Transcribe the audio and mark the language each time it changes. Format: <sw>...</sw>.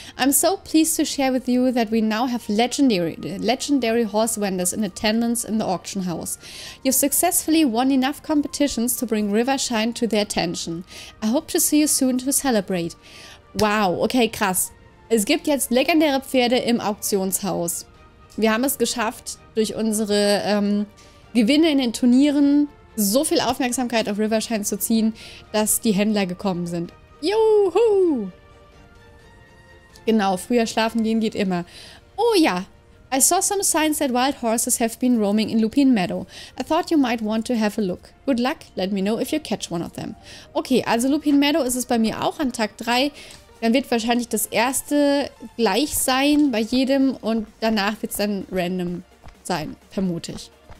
<en>I'm so pleased to share with you that we now have legendary horse vendors in attendance in the auction house. You've successfully won enough competitions to bring Rivershine to their attention. I hope to see you soon to celebrate.</en> <de>Wow, okay, krass. Es gibt jetzt legendäre Pferde im Auktionshaus. Wir haben es geschafft, durch unsere Gewinne in den Turnieren so viel Aufmerksamkeit auf Rivershine zu ziehen, dass die Händler gekommen sind. Juhu! Genau, früher schlafen gehen geht immer.</de> <en>Oh ja, I saw some signs that wild horses have been roaming in Lupin Meadow. I thought you might want to have a look. Good luck, let me know if you catch one of them.</en> <de>Okay, also Lupin Meadow ist es bei mir auch an Tag 3. Dann wird wahrscheinlich das erste gleich sein bei jedem und danach wird es dann random sein, vermute ich.</de>